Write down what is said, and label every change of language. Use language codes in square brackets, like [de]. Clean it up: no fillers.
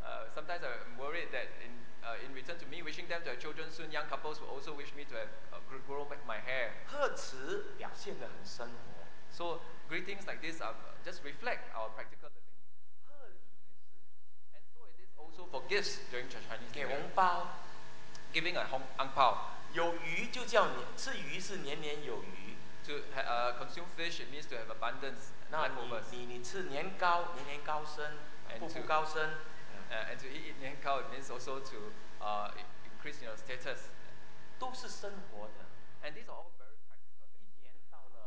[en] Sometimes I'm worried that in return to me wishing them to have children soon, young couples will also wish me to have grow back my hair. [zh] 贺词表现得很生活。 [en] So greetings like this just reflect our practical living. [zh] 贺礼也是。 [en] And so it is also for gifts during Chinese New Year. [zh] 给红包。 [en] Giving a ang pao. [zh] 有鱼就叫年，吃鱼是年年有余。 [en] To consume fish, it means to have abundance. [zh] 那你吃年糕，年年高升，步步高升。 [en] And to eat Nian Kao, it means also to increase your status. [zh] 都是生活的。 [en] And these are all very practical.